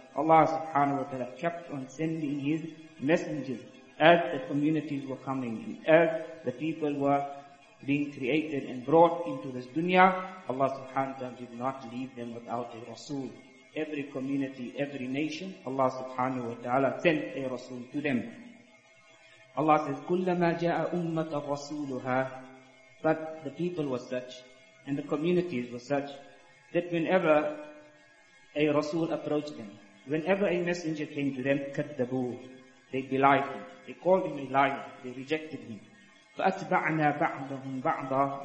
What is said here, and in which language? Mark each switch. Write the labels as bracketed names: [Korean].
[English] Allah subhanahu wa ta'ala kept on sending his messengers as the communities were coming, and as the people were being created and brought into this dunya, Allah subhanahu wa ta'ala did not leave them without a Rasul. Every community, every nation, Allah subhanahu wa ta'ala sent a Rasul to them. Allah says, [Arabic] كُلَّمَا جَاءَ أُمَّةَ رَسُولُهَا. [English] But the people were such, and the communities were such, that whenever a Rasul approached them, whenever a messenger came to them, كَذَّبُوا, they belied him. They called him a liar. They rejected him. [Arabic] فَأَتْبَعْنَا بَعْضَهُمْ بَعْضًا.